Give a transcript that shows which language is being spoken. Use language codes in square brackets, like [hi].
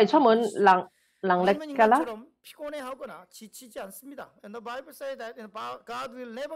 [zh] 我们今天要看的课文就是安息年和希年，我们第一件事就是要去安息，神就是充满主权和充满能力的。 [ko] 피곤해하거나 지치지 않습니다. [en] And the Bible says that God will never